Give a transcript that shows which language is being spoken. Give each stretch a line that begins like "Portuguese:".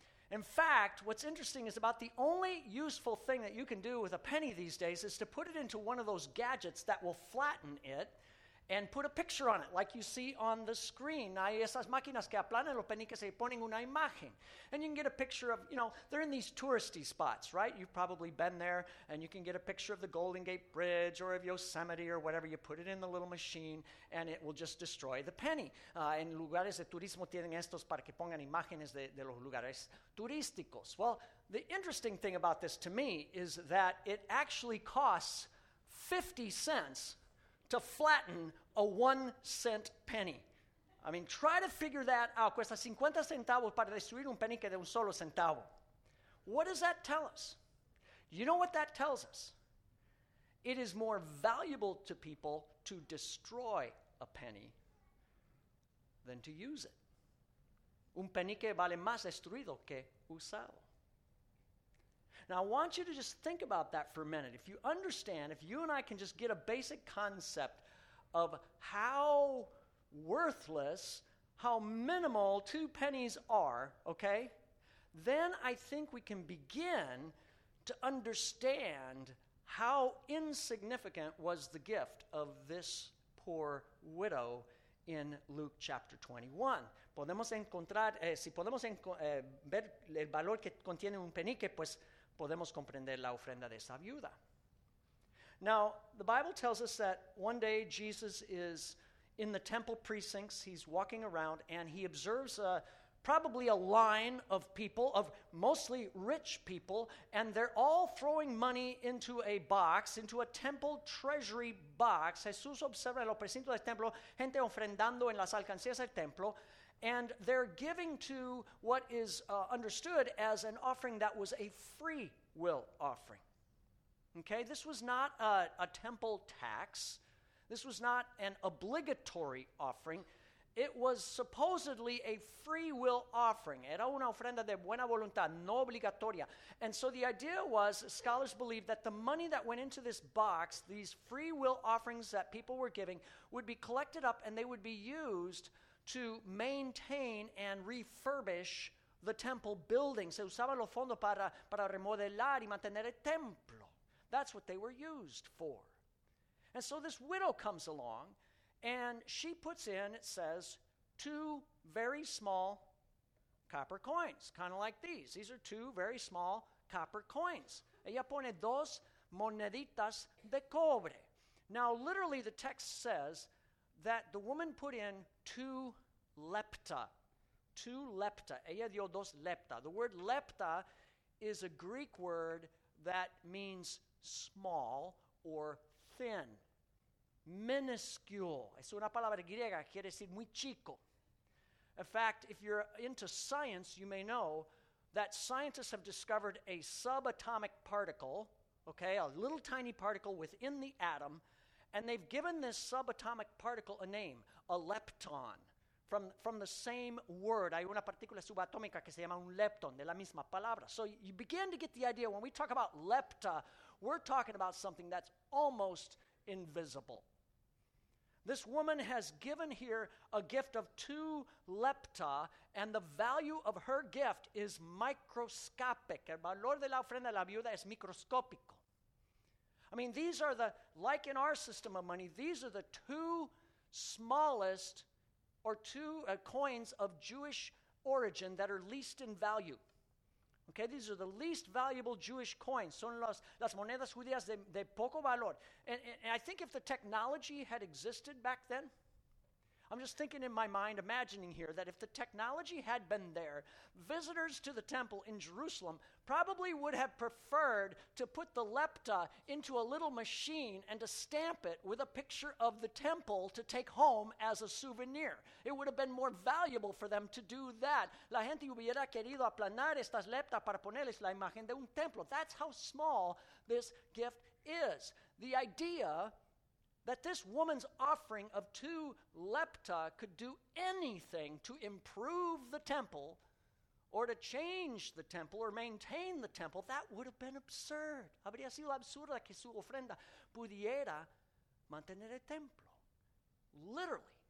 English: In fact, what's interesting is about the only useful thing that you can do with a penny these days is to put it into one of those gadgets that will flatten it and put a picture on it, like you see on the screen.
Spanish: Hay esas máquinas que aplanan los penny que se ponen una imagen.
English: And you can get a picture of, you know, they're in these touristy spots, right? You've probably been there, and you can get a picture of the Golden Gate Bridge or of Yosemite or whatever. You put it in the little machine, and it will just destroy the penny.
Spanish: En lugares de turismo tienen estos para que pongan imágenes de los lugares turísticos.
English: Well, the interesting thing about this to me is that it actually costs 50 cents to flatten a 1 cent penny. I mean, try to figure that out.
Spanish: Cuesta 50 centavos para destruir un penny que de un solo centavo.
English: What does that tell us? You know what that tells us? It is more valuable to people to destroy a penny than to use it.
Spanish: Un penny que vale más destruido que usado.
English: Now, I want you to just think about that for a minute. If you understand, if you and I can just get a basic concept of how worthless, how minimal two pennies are, okay, then I think we can begin to understand how insignificant was the gift of this poor widow in Luke chapter 21.
Spanish: Podemos encontrar, si podemos ver el valor que contiene un penique, pues podemos comprender la ofrenda de esa viuda.
English: Now, the Bible tells us that one day Jesus is in the temple precincts. He's walking around and he observes probably a line of people, of mostly rich people, and they're all throwing money into a box, into a temple treasury box.
Spanish: Jesús observa en los precintos del templo gente ofrendando en las alcancías del templo.
English: And they're giving to what is understood as an offering that was a free will offering. Okay, this was not a temple tax. This was not an obligatory offering. It was supposedly a free will offering.
Spanish: Era una ofrenda de buena voluntad, no obligatoria.
English: And so the idea was, scholars believe that the money that went into this box, these free will offerings that people were giving, would be collected up and they would be used to maintain and refurbish the temple building.
Spanish: Se usaban los fondos para remodelar y mantener el templo.
English: That's what they were used for. And so this widow comes along, and she puts in, it says, two very small copper coins, kind of like these. These are two very small copper coins.
Spanish: Ella pone dos moneditas de cobre.
English: Now, literally, the text says that the woman put in two lepta. Two lepta.
Spanish: Ella dio dos lepta.
English: The word lepta is a Greek word that means small or thin. Minuscule.
Spanish: Es una palabra griega, quiere decir muy chico.
English: In fact, if you're into science, you may know that scientists have discovered a subatomic particle, okay, a little tiny particle within the atom, and they've given this subatomic particle a name, a lepton, from the same word.
Spanish: Hay una partícula subatómica que se llama un lepton, de la misma palabra.
English: So you begin to get the idea, when we talk about lepta, we're talking about something that's almost invisible. This woman has given here a gift of two lepta, and the value of her gift is microscopic.
Spanish: El valor de la ofrenda de la viuda es microscópico.
English: I mean, these are the, like in our system of money, these are the two smallest or two coins of Jewish origin that are least in value. Okay, these are the least valuable Jewish coins.
Spanish: Son las monedas judías de poco valor.
English: And I think if the technology had existed back then, I'm just thinking in my mind, imagining here, that if the technology had been there, visitors to the temple in Jerusalem probably would have preferred to put the lepta into a little machine and to stamp it with a picture of the temple to take home as a souvenir. It would have been more valuable for them to do that.
Spanish: La gente hubiera querido aplanar estas lepta para ponerles la imagen de un templo.
English: That's how small this gift is. The idea that this woman's offering of two lepta could do anything to improve the temple or to change the temple or maintain the temple, that would have been absurd.
Spanish: Habría sido absurda que su ofrenda pudiera mantener el templo.